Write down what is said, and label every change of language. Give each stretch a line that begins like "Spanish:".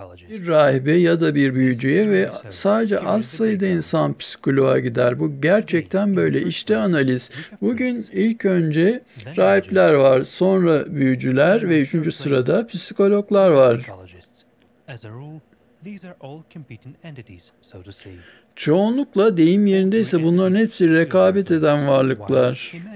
Turkish: Bir rahibe ya da bir büyücüye ve sadece az sayıda insan psikoloğa gider. Bu gerçekten böyle. İşte analiz. Bugün ilk önce rahipler var, sonra büyücüler ve üçüncü sırada psikologlar var.
English: As a rule, these are all competing entities, so to say.
Turkish: Çoğunlukla deyim yerindeyse bunların hepsi rekabet eden varlıklar.